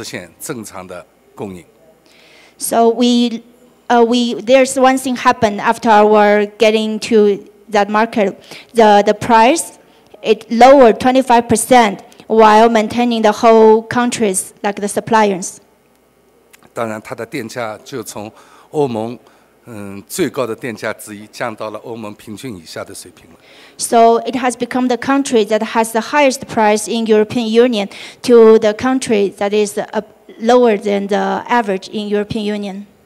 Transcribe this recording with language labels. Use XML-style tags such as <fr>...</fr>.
<zh>当时14年我们交易的时候，答应了一件事情，在15年把所有的岛上的价格降25%，然后还要实现正常的供应。</zh> <en>So there's one thing happened after our getting to that market, the price. It lowered 25% while maintaining the whole countries like the suppliers.</en> <zh>当然，它的电价就从欧盟最高的电价之一降到了欧盟平均以下的水平了。</zh> <en>So it has become the country that has the highest price in European Union to the country that is lower than the average in European Union.</en>